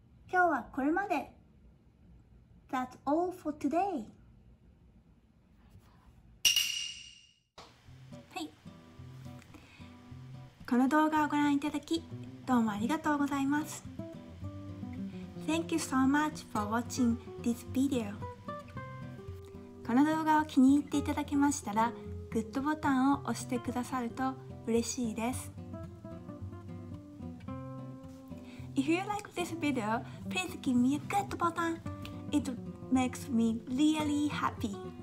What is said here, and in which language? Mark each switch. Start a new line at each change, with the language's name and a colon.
Japanese: 今日はこれまで。
English: That's all for today.
Japanese: はい。この動画をご覧いただきどうもありがとうございます。
English: Thank you so much for watching this video.
Japanese: この動画を気に入っていただけましたら、グッドボタンを押してくださると嬉しいです。
English: If you like this video, please give me a good button. It makes me really happy.